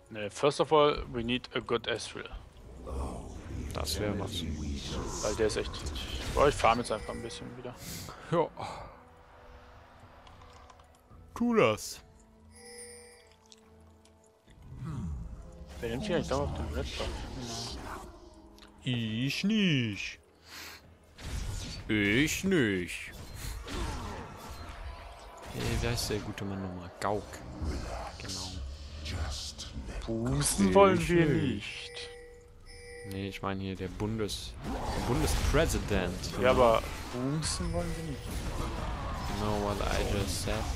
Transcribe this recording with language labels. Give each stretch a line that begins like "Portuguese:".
English: First of all, we need a good Ezreal.
German: Das wäre was. Weil der ist echt. Boah, ich fahre jetzt einfach ein bisschen wieder. Ja. Tu das. Wer nimmt hier eigentlich auf den Redstock? Ich nicht. Ich nicht. Hey, wer ist der gute Mann nochmal? Gauk. Genau. Boosten wollen wir nicht. Nee, ich meine hier der Bundespräsident. Ja, genau. Aber boosten wollen wir nicht.
English: You know what I just said?